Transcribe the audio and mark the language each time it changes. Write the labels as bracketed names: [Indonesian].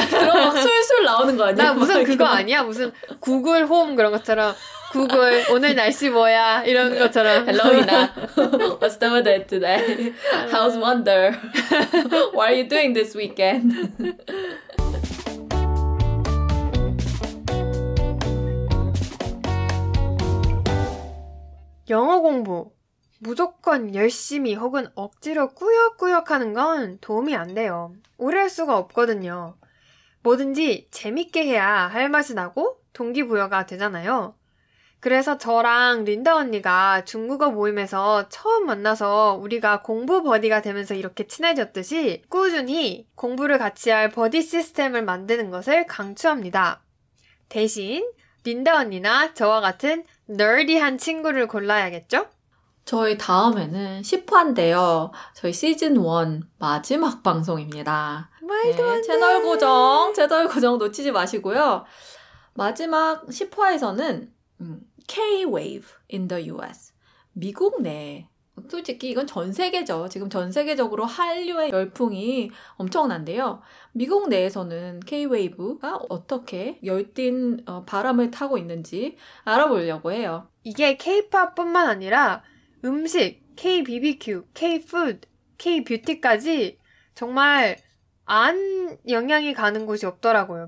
[Korean] 그럼 막 술술 나오는 거 아니야? 나 무슨 그거 아니야? 무슨 구글 홈 그런 것처럼. 구글, 오늘 날씨 뭐야? 이런 것처럼. [English] Hello, 희나. What's the weather today? How's wonder? What are you doing this weekend? [Korean] 영어 공부, 무조건 열심히 혹은 억지로 꾸역꾸역 하는 건 도움이 안 돼요. 오래 할 수가 없거든요. 뭐든지 재밌게 해야 할 맛이 나고 동기부여가 되잖아요. 그래서 저랑 린다 언니가 중국어 모임에서 처음 만나서 우리가 공부 버디가 되면서 이렇게 친해졌듯이 꾸준히 공부를 같이 할 버디 시스템을 만드는 것을 강추합니다. 대신 린다 언니나 저와 같은 너디한 친구를 골라야겠죠? 저희 다음에는 10화인데요. 저희 시즌 1 마지막 방송입니다. 말도 네, 안 돼! 채널 고정 놓치지 마시고요. 마지막 10화에서는 [English] K-Wave in the US. [Korean] 미국 내 솔직히 이건 전 세계죠. 지금 전 세계적으로 한류의 열풍이 엄청난데요. 미국 내에서는 K-Wave가 어떻게 열띤 바람을 타고 있는지 알아보려고 해요. 이게 K-POP 뿐만 아니라 음식, K-BBQ, K-Food, K-Beauty까지 정말 안 영향이 가는 곳이 없더라고요.